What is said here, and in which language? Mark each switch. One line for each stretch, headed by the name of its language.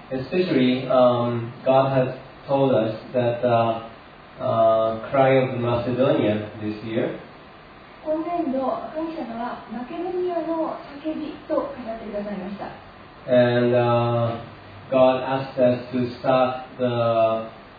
English: Especially, God has told us that the cry of Macedonia this year.
Japanese: 今年度、神様はマケドニアの叫びと語ってくださいました。
English: And God asked us to start the